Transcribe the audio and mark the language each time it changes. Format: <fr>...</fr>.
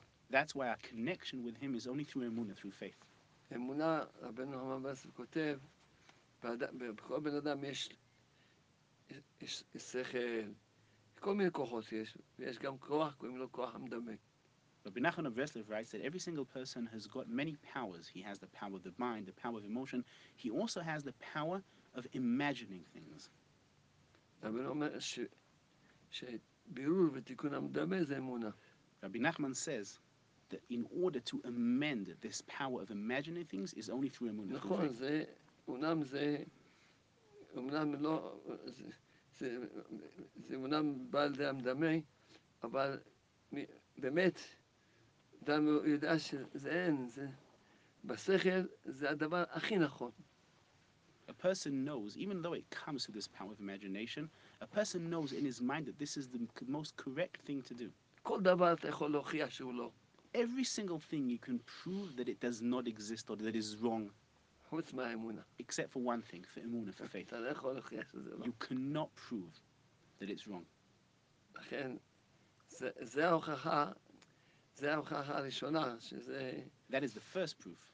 <en>That's why our connection with Him is only through Emuna, through faith.</en> <he>אמונה, רבנו רמב"ם בעצם כותב, בכל בן אדם יש שכל, כל מיני כוחות יש, ויש גם כוח, קוראים לו כוח המדמה.</he> <en>Rabbi Nachman of Breslov writes that every single person has got many powers. He has the power of the mind, the power of emotion. He also has the power of imagining things.</en> <he>רבנו אומר שבירור ותיקון המדמה זה אמונה.</he> <en>Rabbi Nachman says that in order to amend this power of imagining things is only through Emunah.</en> <he>נכון, זה, אומנם זה, אומנם לא, זה אומנם בא לידי המדמה, אבל באמת, אדם יודע שזה אין, זה, בשכל זה הדבר הכי נכון.</he> <en>A person knows, even though it comes through this power of imagination, a person knows in his mind that this is the most correct thing to do.</en> <he>כל דבר אתה יכול להוכיח שהוא לא.</he> <en>Every single thing you can prove that it does not exist or that is wrong. What's my emuna? Except for one thing, for emuna, for faith. You cannot prove that it's wrong. That is the first proof.</en>